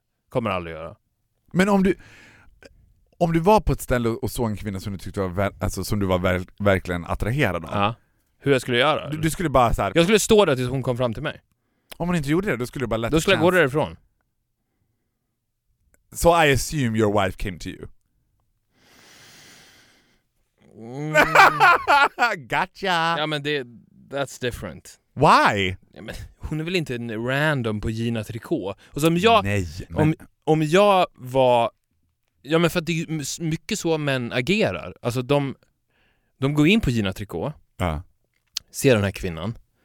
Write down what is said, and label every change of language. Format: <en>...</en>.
<sv>Kommer aldrig göra. Men om du var på ett ställe och såg en kvinna som du tyckte var verkligen attraherad av. Ja. Hur jag skulle göra? Du skulle bara så här. Jag skulle stå där tills hon kom fram till mig. Om hon inte gjorde det, då skulle du bara lätta. Då skulle jag gå därifrån.</sv> <en>So I assume your wife came to you. Gotcha.</en> <sv>Ja, men det,</sv> <en>that's different. Why?</en> <sv>Ja, men hon är väl inte en random på Gina Tricot. Och som jag, nej, men... om jag var, ja, men för att det är mycket så män agerar. Alltså de går in på Gina Tricot. Ja. Ser den här kvinnan.</sv>